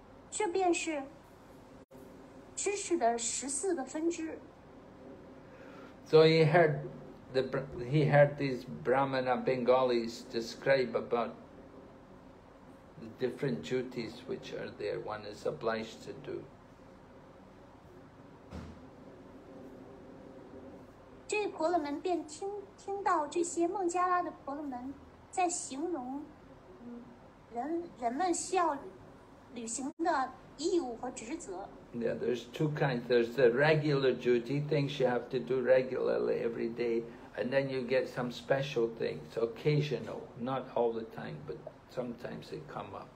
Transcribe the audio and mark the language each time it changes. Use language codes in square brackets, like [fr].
[zh] 这便是知识的十四个分支。 [en] So he heard these Brahmana Bengalis describe about the different duties which are there one is obliged to do. [zh] 这婆罗门便听到这些孟加拉的婆罗门在形容人们需要履行的义务和职责。 [en] Yeah, there's two kinds. There's the regular duty, things you have to do regularly every day, and then you get some special things, occasional, not all the time, but sometimes they come up.